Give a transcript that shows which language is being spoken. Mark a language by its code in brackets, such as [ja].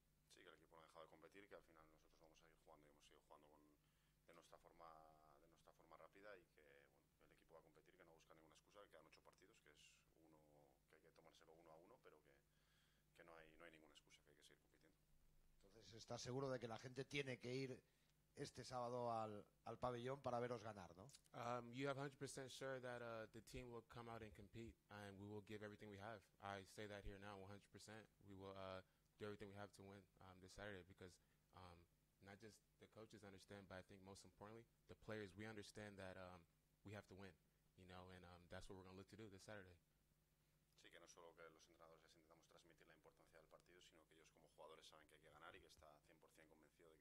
[es] Sí, que el equipo no ha dejado de competir, que al final nosotros vamos a ir jugando y hemos ido jugando de nuestra forma rápida y que bueno, el equipo va a competir, que no busca ninguna excusa, que quedan 8 partidos, que es uno que hay que tomárselo 1-1, pero que no hay ninguna excusa, que hay que seguir compitiendo. Entonces, ¿estás seguro de que la gente tiene que ir este sábado al pabellón para veros ganar, no? [en] You have 100% sure that the team will come out and compete and we will give everything we have. I say that here now, 100%. We will do everything we have to win this Saturday, because not just the coaches understand, but I think most importantly, the players, we understand that we have to win, you know, and that's what we're going to look to do this Saturday. [es] Sí, que no solo que los entrenadores les intentamos transmitir la importancia del partido, sino que ellos como jugadores saben que hay que ganar y que está 100% convencido.